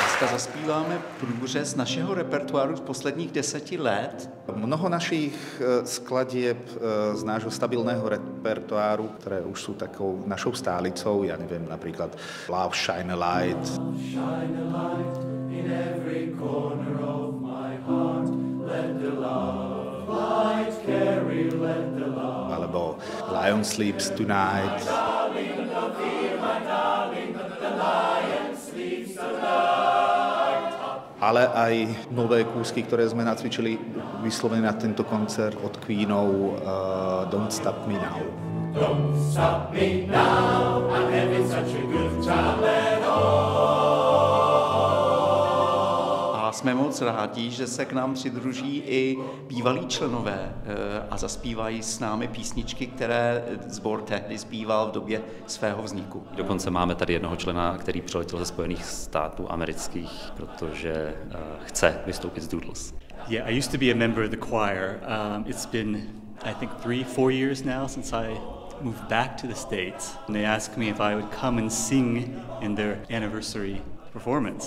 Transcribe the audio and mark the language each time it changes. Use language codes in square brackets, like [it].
[cs] Zaspíváme průřez našeho repertoáru z posledních 10 let. [sk] Mnoho našich skladieb z nášho stabilného repertoáru, které už jsou takou našou stálicou, já nevím, například Love Shine a Light. [en] Love shine a light in every corner of my heart, let the love light carry, let the love. [sk] Alebo Lion Sleeps Tonight. Ale aj nové kúsky, ktoré sme nacvičili vyslovene na tento koncert od Queenov Don't Stop Me Now. [en] Don't stop me now, I'm having such a good time at all. [cs] A sme moc rádi, že se k nám přidruží i bývalí členové a zaspívají s námi písničky, které sbor tehdy zpíval v době svého vzniku. Dokonce máme tady jednoho člena, který přiletěl ze Spojených států amerických, protože chce vystoupit z Doodles. [en] Yeah, I used to be a member of the choir. It's been, I think, 3-4 years now since I moved back to the States. And they asked me if I would come and sing in their anniversary performance.